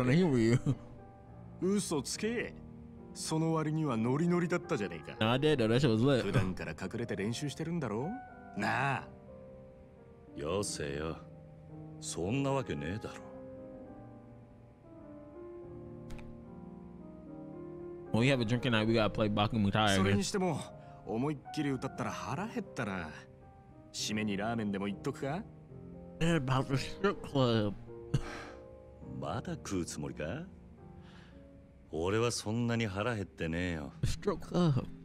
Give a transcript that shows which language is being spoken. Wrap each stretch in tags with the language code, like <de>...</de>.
<ja>け嘘つけその割にはノリノリだったじゃねえか</ja> <en>I did, that shit was lit</en> <ja>普段から隠れて練習してるんだろうなあよせよそんなわけねえだろ</ja> <en>When we have a drinking night, we gotta play Bakumutai</en> <ja>それにしても思いっきり歌ったら腹減ったな締めにラーメンでも行っとくか</ja> <en>About the strip club</en> <ja>まだ食うつもりか俺はそんなに腹減ってねえよストローク</ja>